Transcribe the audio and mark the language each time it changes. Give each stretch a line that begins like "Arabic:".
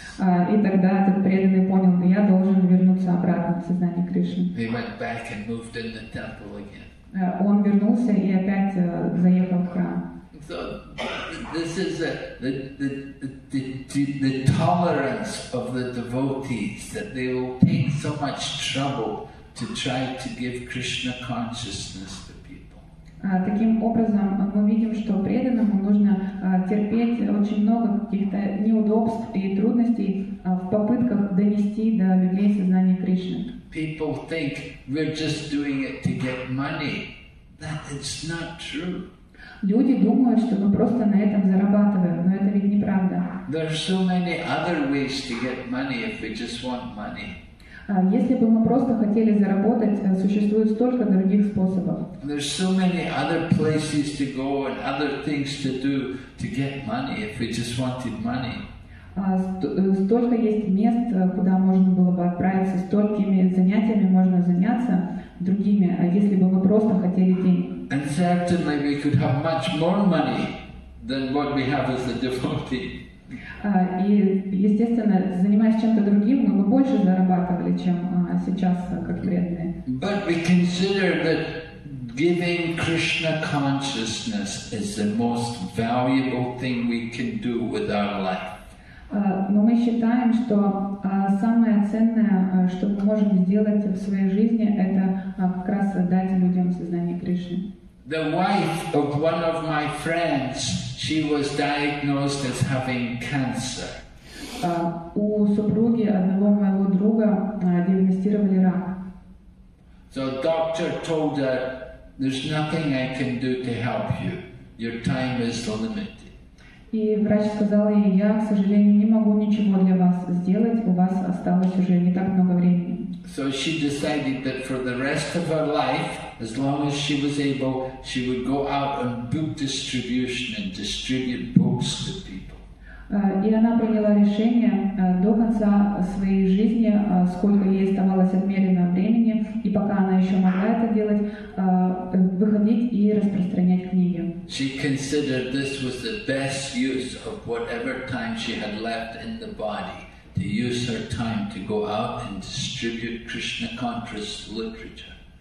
Russian: И тогда этот преданный понял, я должен вернуться обратно в сознание Кришны.
English: He went back and moved in the temple again.
Russian: Он вернулся и опять заехал в храм.
English: So this is the tolerance of the devotees, that they will take so much trouble to try to give Krishna consciousness to people.
Russian: Таким образом мы видим, что преданному нужно терпеть очень много каких-то неудобств и трудностей в попытках донести до людей сознание Кришны.
English: People think we're just doing it to get money. That is not true.
Russian: Люди думают, что мы просто на этом зарабатываем, но это ведь неправда.
English: There are so many other ways to get money if we just want money.
Russian: Если бы мы просто хотели заработать, существует столько других способов.
English: There are so many other places to go and other things to do to get money if we just wanted money.
Russian: Столько есть мест, куда можно было бы отправиться, столькими занятиями можно заняться другими, если бы мы просто хотели денег.
English: And certainly we could have much more money than what we have as a devotee.
Russian: И, естественно, занимаясь чем-то другим, мы бы больше зарабатывали, чем сейчас, как преданные.
English: But we consider that giving Krishna consciousness is the most valuable thing we can do with our life.
Russian: Но мы считаем, что самое ценное, что мы можем сделать в своей жизни, это как раз дать людям сознание Кришны.
English: The wife of one of my friends, she was diagnosed as having cancer.
Russian: У супруги одного моего друга диагностировали рак.
English: So the doctor told her, "There's nothing I can do to help you. Your time is limited."
Russian: И врач сказал ей, я, к сожалению, не могу ничего для вас сделать, у вас осталось уже не так много времени.
English: So she decided that for the rest of her life, as long as she was able, she would go out on book distribution and distribute books to people.
Russian: И она приняла решение до конца своей жизни, сколько ей оставалось отмеренного времени, и пока она еще могла это делать, выходить и распространять книги.
English: She considered this was the best use of whatever time she had left in the body, to use her time to go out and distribute Krishna conscious literature.